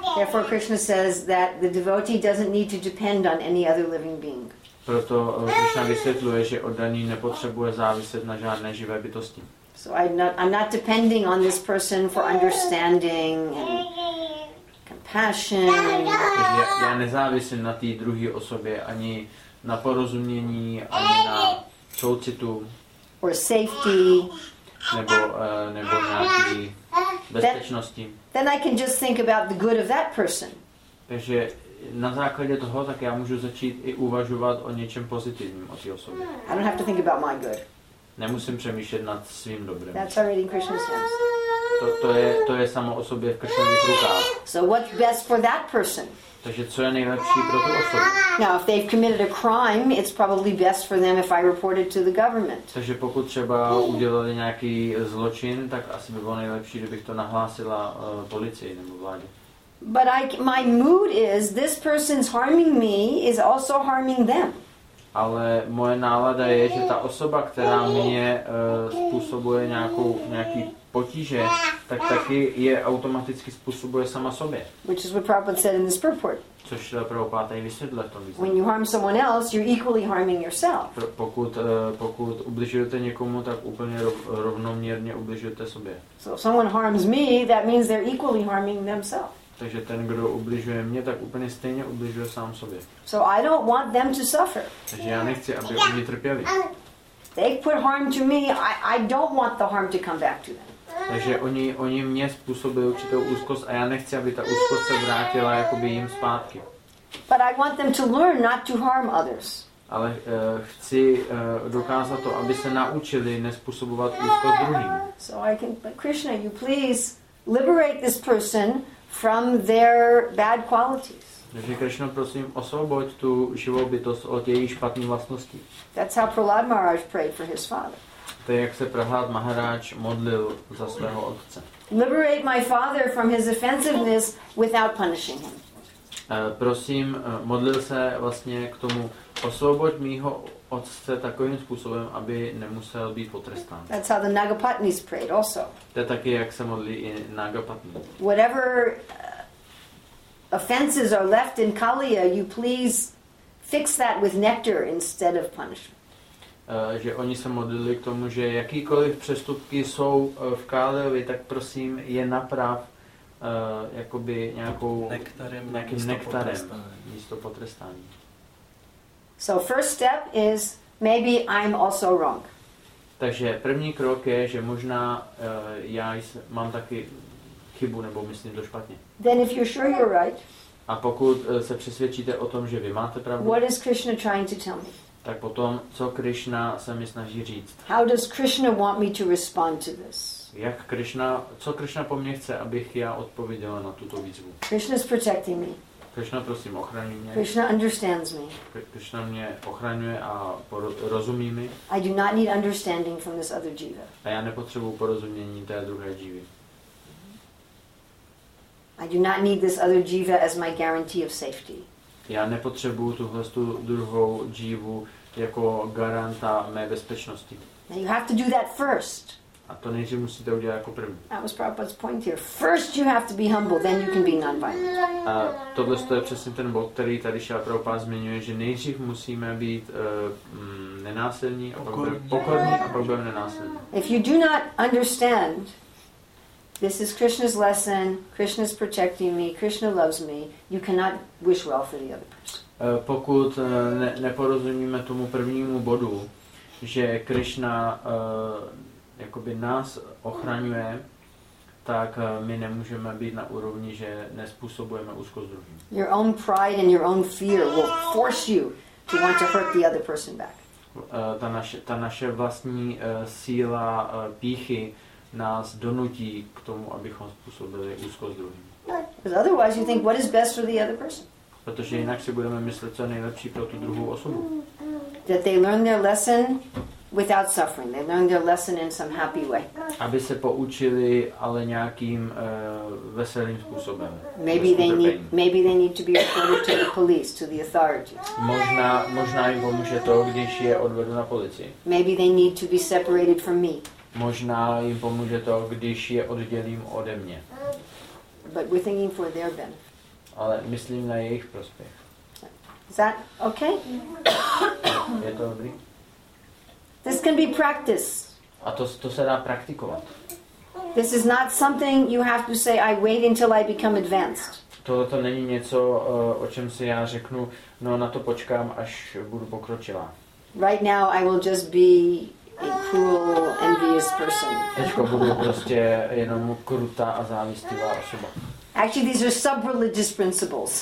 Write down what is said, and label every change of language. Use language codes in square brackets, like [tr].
[en] Therefore Krishna says that the devotee doesn't need to depend on any other living being. [cs] Proto Krishna vysvětluje, že oddaný nepotřebuje záviset na žádné živé bytosti. [en] So I'm not depending on this person for understanding and passion. [cs] Já nezávisím na té druhé osobě ani na porozumění, ani na soucitu. [en] Or safety. [cs] Nebo nějaký bezpečnosti. [en] Then I can just think about the good of that person. [cs] Takže na základě toho tak já můžu začít i uvažovat o něčem pozitivním o té osobě. [en] I don't have to think about my good. [cs] Nemusím přemýšlet nad svým dobrem. [en] That's already in Krishna's hands. [cs] To je samo o sobě v Krishnových rukách. [en] So what's best for that person? [cs] Takže co je nejlepší pro tu osobu? [en] Now if they've committed a crime, it's probably best for them if I report it to the government. [cs] Takže pokud třeba udělali nějaký zločin, tak asi by bylo nejlepší, kdybych to nahlásila policii nebo vládě. [en] But my mood is this person's harming me is also harming them. [cs] Ale moje nálada je, že ta osoba, která mě způsobuje nějaký potíže, tak taky je automaticky způsobuje sama sobě. [en] Which is what Prabhupada said in this purport. [cs] Což Prabhupada tady vysvětlil v tom významu. [en] When you harm someone else, you're equally harming yourself. [cs] Pokud ubližujete někomu, tak úplně rovnoměrně ubližujete sobě. [en] So if someone harms me, that means they're equally harming themselves. [cs] Takže ten, kdo ubližuje mě, tak úplně stejně ubližuje sám sobě. [en] So I don't want them to suffer. [cs] Takže já nechci, aby oni trpěli. [en] They put harm to me, I don't want the harm to come back to them. [cs] Takže oni mě způsobili určitou úzkost a já nechci, aby ta úzkost se vrátila jakoby jim zpátky. [en] But I want them to learn not to harm others. [cs] Ale chci dokázat to, aby se naučili nespůsobovat úzkost druhým. [en] So I can, but Krishna, you please liberate this person from their bad qualities. [cs] Takže Krishna, prosím, osvoboď tu živou bytost od jejich špatných vlastností. [en] That's how Prahlad Maharaj prayed for his father. [cs] To je, jak se Prahlad Maharaj modlil za svého otce. [en] Liberate my father from his offensiveness without punishing him. [cs] Prosím, modlil se vlastně k tomu, osvoboď mýho otce takovým způsobem, aby nemusel být potrestán. [en] That's how the Nagapatnis prayed also. [cs] To je taky, jak se modlí i Nagapatni. [en] Whatever offenses are left in Kaliya, you please fix that with nectar instead of punishment. [cs] Že oni se modlili k tomu, že jakýkoliv přestupky jsou v Kaliovi, tak prosím je naprav jakoby nějakým nektarem místo potrestání. [en] So first step is maybe I'm also wrong. [cs] Takže první krok je, že možná já mám taky chybu nebo myslím to špatně. [en] Then if you're sure you're right. [cs] A pokud se přesvědčíte o tom, že vy máte pravdu. [en] What is Krishna trying to tell me? [cs] Tak potom co Krishna se mi snaží říct? [en] How does Krishna want me to respond to this? [cs] Jak Krishna, co Krishna po mně chce, abych já odpověděla na tuto výzvu? [en] Krishna is protecting me. [cs] Krishna, prosím, ochraňuj mě. [en] Krishna understands me. [cs] Krishna mě ochraňuje a rozumí mi. [en] I do not need understanding from this other jiva. [cs] A já nepotřebuji porozumění té druhé jivy. [en] I do not need this other jiva as my guarantee of safety. [cs] Já nepotřebuji tuhle tu druhou jivu jako garanta mé bezpečnosti. [en] Now you have to do that first. [cs] A to nejdřív musíte udělat jako první. [en] That was Prabhupada's point here. First you have to be humble, then you can be non-violent. [cs] A tohle je přesně ten bod, který tady Šíla Prabhupáda zmiňuje, že nejdřív musíme být nenásilní a pak budeme pokorní a pak budeme nenásilní. [en] If you do not understand, this is Krishna's lesson, Krishna's protecting me, Krishna loves me, you cannot wish well for the other person. [cs] Pokud neporozumíme tomu prvnímu bodu, že Krishna jakoby nás ochraňuje, tak my nemůžeme být na úrovni, že nezpůsobujeme úzkost druhým. [en] Your own pride and your own fear will force you to want to hurt the other person back. [cs] Ta naše vlastní síla pýchy nás donutí k tomu, abychom způsobili úzkost druhým. [en] Because otherwise you think what is best for the other person. [cs] Protože jinak si budeme myslet, co je nejlepší pro tu druhou osobu. [en] That they learn their lesson without suffering, they learn their lesson in some happy way. [cs] Aby se poučili, ale nějakým veselým způsobem. [en] Maybe they need to be reported to the police, to the authorities. [cs] Možná jim pomůže to, když je odvedu na policii. [en] Maybe they need to be separated from me. [cs] Možná jim pomůže to, když je oddělím ode mě. [en] But we're thinking for their benefit. [cs] Ale myslím na jejich prospěch. [en] Is that okay? [cs] Je to dobrý? [en] This can be practiced. [cs] A to se dá praktikovat. [en] This is not something you have to say I wait until I become advanced. [cs] To není něco, o čem si já řeknu, no na to počkám, až budu pokročilá. [en] Right now I will just be a cruel, envious person. [cs] Teďko budu prostě jenom krutá a závistivá osoba. [en] Actually these are sub-religious principles.